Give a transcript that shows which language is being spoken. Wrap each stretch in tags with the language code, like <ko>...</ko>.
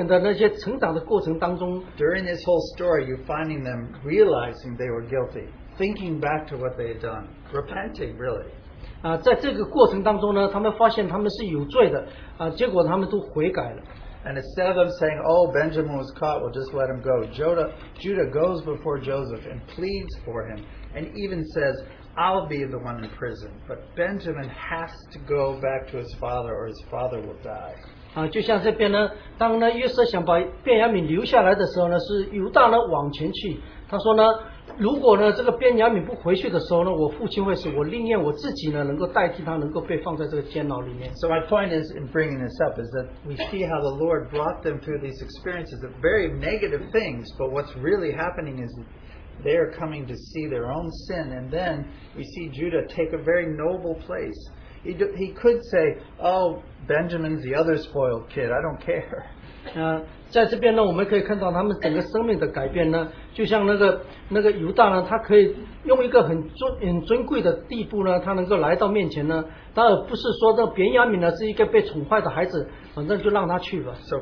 <zh>但是呢，我们从那些他们这些弟兄们的那些成长的过程当中，</zh> <en>during this whole story, you're finding them realizing they were guilty. Thinking back to what they had done, repenting really.</en> <zh>在这个过程当中呢，他们发现他们是有罪的，结果他们都悔改了。</zh> <en>And instead of them saying, oh, Benjamin was caught, we'll just let him go, Judah goes before Joseph and pleads for him, and even says, I'll be the one in prison, but Benjamin has to go back to his father or his father will die.</en> <zh>就像这边呢，当呢约瑟想把便雅悯留下来的时候呢，是犹大呢往前去，他说呢， 如果呢，这个便雅悯不回去的时候呢，我父亲会死，我宁愿我自己呢，能够代替他，能够被放在这个监牢里面。</zh> <en>So my point is in bringing this up is that we see how the Lord brought them through these experiences of very negative things, but what's really happening is they are coming to see their own sin, and then we see Judah take a very noble place. He could say, oh, Benjamin's the other spoiled kid, I don't care.</en> <zh>在这边呢，我们可以看到他们整个生命的改变呢，就像那个犹大呢，他可以用一个很尊贵的地步呢，他能够来到面前呢，当然不是说这个便雅悯呢是一个被宠坏的孩子，反正就让他去吧。</zh> <en>So</en>